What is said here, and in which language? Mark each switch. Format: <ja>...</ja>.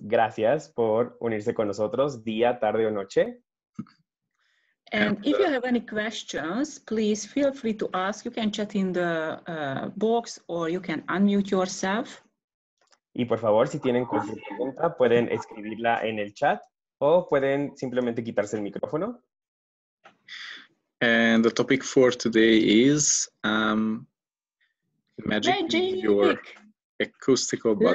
<es>Gracias por unirse con nosotros día, tarde o noche.</es> <en>And if you have any questions, please feel free to ask. You can chat in the box or you can unmute yourself.</en> <es>Y por favor, si tienen cualquier pregunta, pueden escribirla en el chat o pueden simplemente quitarse el micrófono.</es> <en>And the topic for today is magic. Your acoustical body.</en>